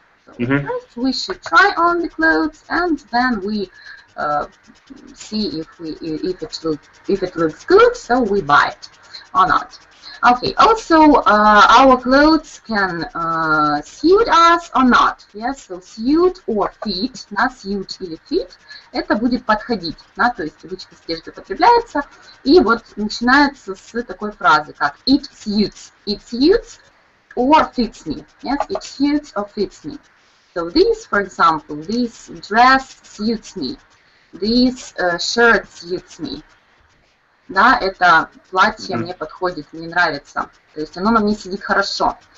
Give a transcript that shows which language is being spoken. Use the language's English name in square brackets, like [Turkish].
[English] So first we should try on the clothes and then we see if it looks good, so we buy it or not. Okay, also our clothes can suit us or not. Yes, so suit or fit, на suit или fit, [Russian] это будет подходить. Да? То есть обычно одежда потребляется. И вот начинается с такой фразы, как [English] it suits. It suits or fits me. Yes, it suits or fits me. So this, for example, this dress suits me. This shirt suits me. [Russian] Да, это платье мне подходит, мне нравится. То есть оно на мне сидит хорошо.